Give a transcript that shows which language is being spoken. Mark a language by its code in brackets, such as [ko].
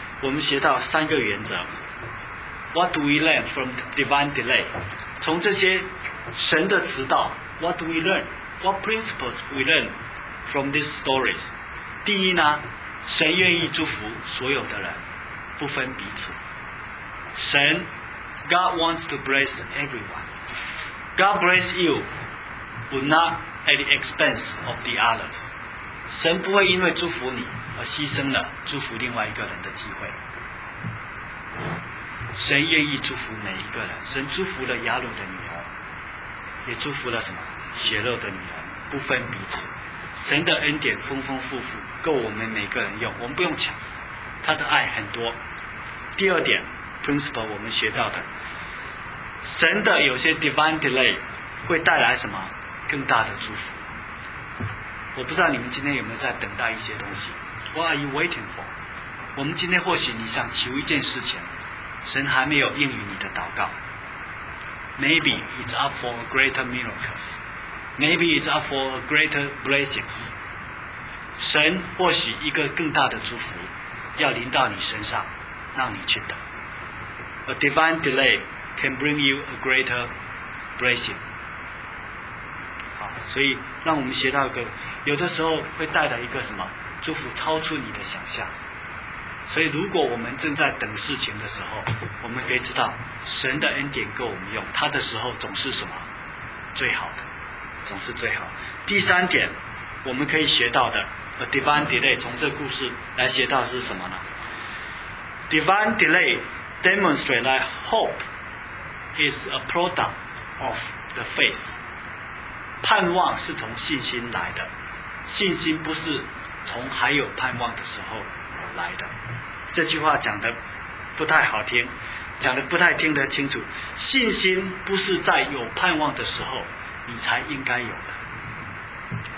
[zh] 我们学到三个原则。 [en] What do we learn from divine delay? [zh] 从这些神的迟到， [en] What do we learn? What principles we learn from these stories? [zh] 第一呢，神愿意祝福所有的人，不分彼此。 [en] 神 God wants to bless everyone. God bless you but not at the expense of the others. [zh] 神不会因为祝福你而牺牲了祝福另外一个人的机会。神愿意祝福每一个人，神祝福了雅鲁的女儿，也祝福了什么血肉的女儿，不分彼此。神的恩典丰丰富富，够我们每个人用，我们不用抢，他的爱很多。第二点 principle 我们学到的，神的有些 divine delay 会带来什么更大的祝福。我不知道你们今天有没有在等待一些东西。 [en] What are you waiting for? [zh] 我们今天或许你想求一件事情，神还没有应允你的祷告。 [en] Maybe it's up for greater miracles. Maybe it's up for greater blessings. [zh] 神或许一个更大的祝福要临到你身上，让你去等。 [en] A divine delay can bring you a greater blessing. [zh] 好，所以让我们学到一个，有的时候会带来一个什么祝福超出你的想象。所以如果我们正在等事情的时候，我们可以知道神的恩典够我们用，他的时候总是什么最好的，总是最好。第三点我们可以学到的 A divine delay 从这故事来学到的是什么呢？ [en] Divine delay demonstrate that hope is a product of the faith. [zh] 盼望是从信心来的，信心不是从还有盼望的时候来的。这句话讲得不太好听，讲得不太听得清楚。信心不是在有盼望的时候你才应该有的。